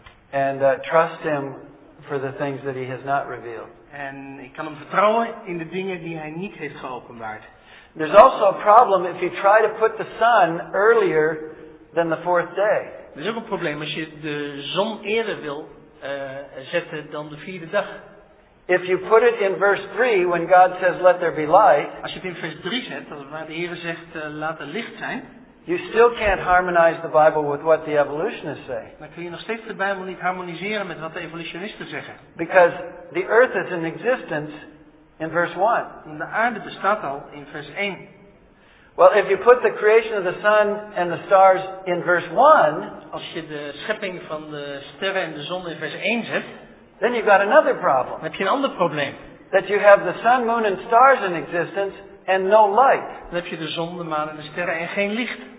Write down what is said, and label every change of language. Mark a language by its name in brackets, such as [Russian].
[English] And trust him for the things that he has not revealed. [Dutch] En ik kan hem vertrouwen in de dingen die hij niet heeft geopenbaard. [English] There's also a problem if you try to put the sun earlier than the fourth day. [Dutch] Er is ook een probleem als je de zon eerder wil zetten dan de vierde dag. [English] If you put it in verse 3 when God says let there be light. [Dutch] Als je het in vers 3 zet, waar de Heer zegt laat er licht zijn. [English] You still can't harmonize the Bible with what the evolutionists say. [Dutch] Dan kun je nog steeds de Bijbel niet harmoniseren met wat de evolutionisten zeggen. [English] Because the earth is in existence in verse 1. [Dutch] De aarde bestaat al in vers 1. [English] Well, if you put the creation of the sun and the stars in verse 1. [Dutch] Als je de schepping van de sterren en de zon in vers 1 zet. [English] Then you've got another problem. [Dutch] Dan heb je een ander probleem. [English] That you have the sun, moon and stars in existence. And no light. [Dutch] Dan heb je de zon, de maan en de sterren en geen licht.